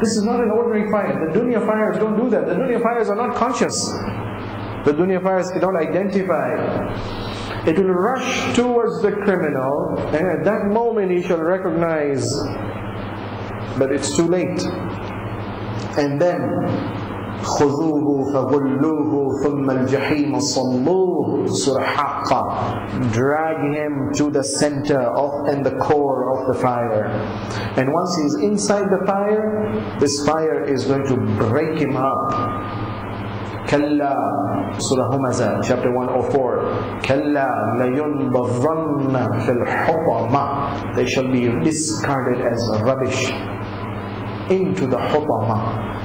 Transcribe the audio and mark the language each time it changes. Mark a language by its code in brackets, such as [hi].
[en] This is not an ordinary fire. The dunya fires don't do that. The dunya fires are not conscious. The dunya fires cannot identify. It will rush towards the criminal, and at that moment he shall recognize, but it's too late. And then, [ar] خُذُوهُ فَغُلُّوهُ ثُمَّ الْجَحِيمُ صَلُّوهُ Surah Haqqa. [en] Drag him to the center of and the core of the fire. And once he's inside the fire, this fire is going to break him up. Kalla, Surah Humaza, chapter 104. Kalla, [ar] لَيُنْبَظَنَّ فِي الْحُطَمَةِ, [en] they shall be discarded as rubbish into the Hutama.